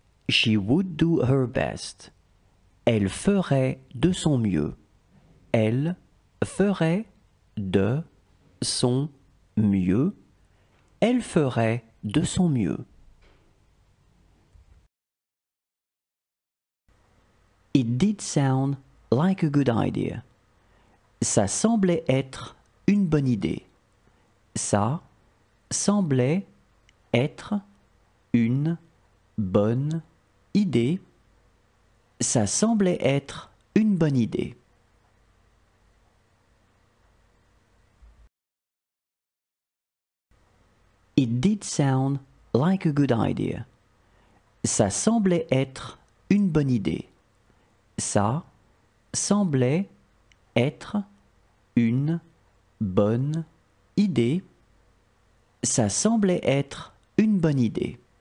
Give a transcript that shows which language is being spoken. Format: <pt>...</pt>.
<en>She would do her best.</en> <fr>Elle ferait de son mieux. Elle ferait de son mieux. Elle ferait de son mieux.</fr> <en>It did sound like a good idea.</en> <fr>Ça semblait être une bonne idée. Ça semblait être une bonne idée. Ça semblait être une bonne idée.</fr> <en>It did sound like a good idea.</en> <fr>Ça semblait être une bonne idée. Ça semblait être une bonne idée. Ça semblait être une bonne idée.</fr>